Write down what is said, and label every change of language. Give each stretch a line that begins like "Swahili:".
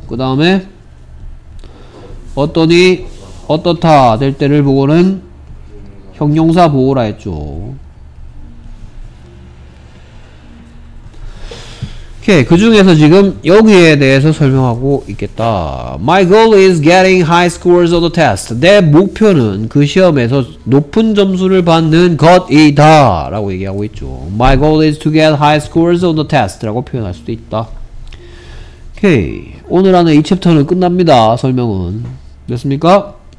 Korean: 그 다음에 어떠니 어떻다 될 때를 보고는 형용사 보호라 했죠. 오케이. 그 중에서 지금 여기에 대해서 설명하고 있겠다.
English: My goal is getting high scores on the test.
Korean: 내 목표는 그 시험에서 높은 점수를 받는 것이다 라고 얘기하고 있죠.
English: My goal is to get high scores on the test
Korean: 라고 표현할 수도 있다. 오케이. 오늘 안에 이 챕터는 끝납니다. 설명은. 됐습니까?